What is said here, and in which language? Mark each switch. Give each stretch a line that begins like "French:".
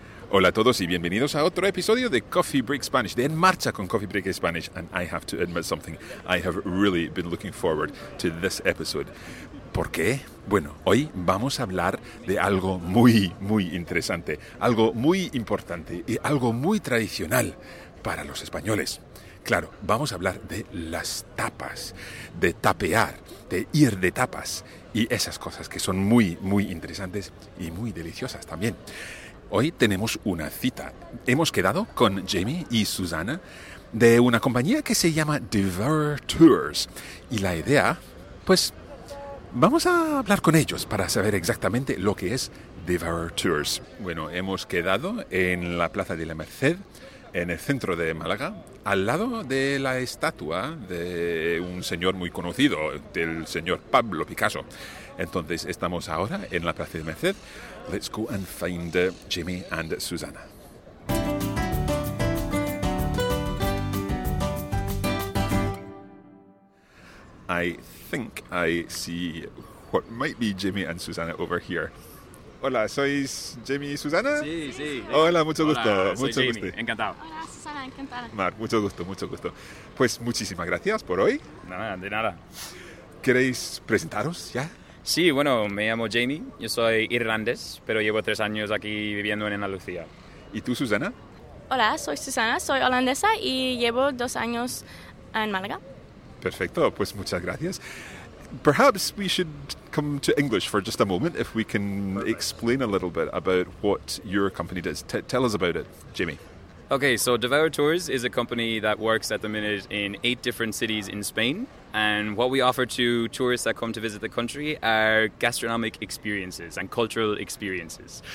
Spanish: Hola a todos y bienvenidos a otro episodio de Coffee Break Spanish, de En Marcha con Coffee Break Spanish.
English: And I have to admit something, I have really been looking forward to this episode.
Spanish: ¿Por qué? Bueno, hoy vamos a hablar de algo muy, muy interesante, algo muy importante y algo muy tradicional para los españoles. Claro, vamos a hablar de las tapas, de tapear, de ir de tapas y esas cosas que son muy, muy interesantes y muy deliciosas también. Hoy tenemos una cita. Hemos quedado con Jamie y Susana de una compañía que se llama Devour Tours. Y la idea, pues, vamos a hablar con ellos para saber exactamente lo que es Devour Tours. Bueno, hemos quedado en la Plaza de la Merced, en el centro de Málaga, al lado de la estatua de un señor muy conocido, del señor Pablo Picasso. Entonces, estamos ahora en la Plaza de Merced.
English: Let's go and find Jimmy and Susana. I think I see what might be Jimmy and Susana over here.
Spanish: Hola, ¿sois Jimmy y Susana? Sí, sí. Hola, mucho gusto. Hola, mucho soy Jimmy. Encantado. Hola, Susana, encantada. Mar, mucho gusto, mucho gusto. Pues muchísimas gracias por hoy. Nada, de nada. ¿Queréis presentaros ya? Sí, bueno, me llamo Jamie, yo soy irlandés, pero llevo 3 años aquí viviendo en Andalucía. ¿Y tú, Susana? Hola, soy Susana, soy holandesa y llevo 2 años en Málaga. Perfecto, pues muchas gracias.
English: Perhaps we should come to English for just a moment, if we can explain a little bit about what your company does. Tell us about it, Jamie. Okay, so Devour Tours is a company that works at the minute in 8 different cities in Spain. And what we offer to tourists that come to visit the country are gastronomic experiences and cultural experiences.